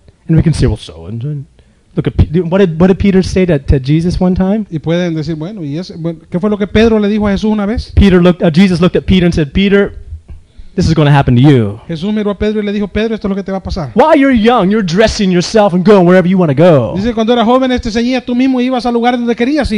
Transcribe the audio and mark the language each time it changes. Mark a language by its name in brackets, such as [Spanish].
[English] And we can say, well, so and so. Look at what did Peter say to Jesus one time? [Spanish] Y pueden decir, bueno, y ese, bueno, ¿qué fue lo que Pedro le dijo a Jesús una vez? [English] Jesus looked at Peter and said, Peter, this is going to happen to you. [Spanish] Jesús miró a Pedro y le dijo, Pedro, esto es lo que te va a pasar. [English] While you're young, you're dressing yourself and going wherever you want to go. [Spanish] Dice cuando eras joven, te ceñías tú mismo y ibas al lugar donde querías ir.